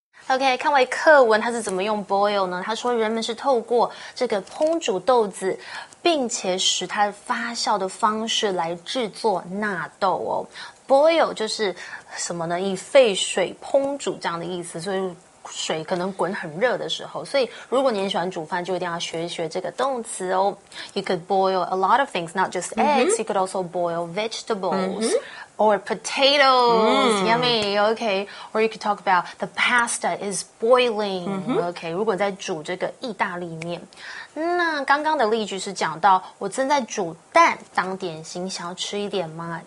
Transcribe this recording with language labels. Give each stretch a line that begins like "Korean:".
Chinese: OK, 看完课文它是怎么用 boil 呢？他说人们是透过这个烹煮豆子，并且使它发酵的方式来制作纳豆哦。 Boil 就是什么呢？以沸水烹煮这样的意思，所以水可能滚很热的时候。所以如果你喜欢煮饭，就一定要学一学这个动词哦。
English: You could boil a lot of things, not just eggs.、Mm-hmm. You could also boil vegetables.、Mm-hmm. Or potatoes,、mm. yummy, okay. Or you could talk about the pasta is boiling,、mm-hmm. okay.
Chinese: 如果在煮这个意大利面。那刚刚的例句是讲到我正在煮蛋当点心，想要吃一点吗？